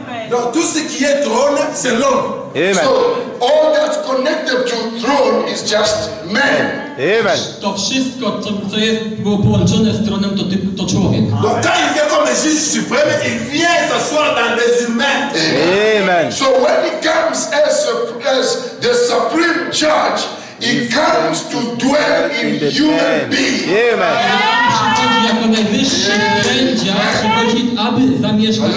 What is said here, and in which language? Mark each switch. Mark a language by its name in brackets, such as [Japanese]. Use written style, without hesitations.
[French] Donc tout ce qui est trône, c'est l'homme. Amen. [English] So all that's connected to throne is just man. Amen. [Polish] To wszystko, co jest było połączone z tronem, to człowiek. [French] Donc quand il vient comme le juge suprême, il vient s'asseoir dans les humains. Amen. [English] So when he comes as the supreme judge, he comes to dwell in human beings. Amen. [Polish] Jako najwyższy sędzia przychodzi, aby zamieszkać w